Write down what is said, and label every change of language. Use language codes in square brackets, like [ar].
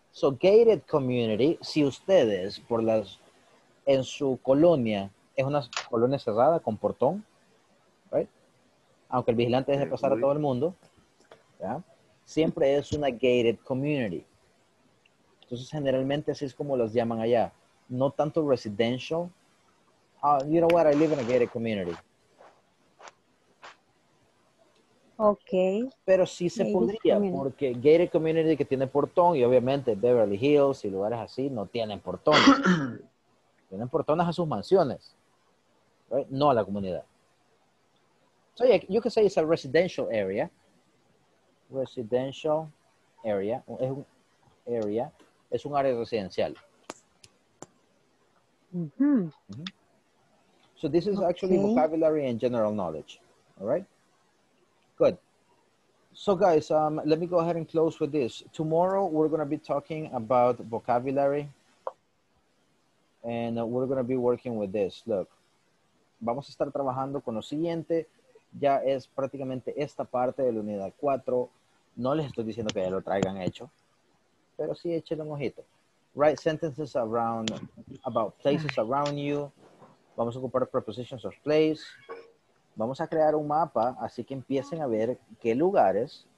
[es] So gated community, si ustedes por las en su colonia es una colonia cerrada con portón. Aunque el vigilante deje pasar a todo el mundo, ¿ya? Siempre es una gated community. Entonces, generalmente, así es como los llaman allá. No tanto residential. [en] You know what? I live in a gated community. Ok. [es] Pero sí se gated podría, community. Porque gated community que tiene portón, y obviamente Beverly Hills y lugares así, no tienen portones. Tienen portones a sus mansiones, ¿right? No a la comunidad. [en] So yeah, you can say it's a residential area. [es] Residential area. Es un area. Es un área residencial. Mm-hmm. Mm-hmm. [en] So this is actually vocabulary and general knowledge. All right? Good. So guys, let me go ahead and close with this. Tomorrow, we're going to be talking about vocabulary. And we're going to be working with this. Look. [es] Vamos a estar trabajando con lo siguiente. Ya es prácticamente esta parte de la unidad 4. No les estoy diciendo que ya lo traigan hecho. Pero sí échenle un ojito. [en] write sentences around about places around you. [es] Vamos a ocupar prepositions of place. Vamos a crear un mapa, así que empiecen a ver qué lugares.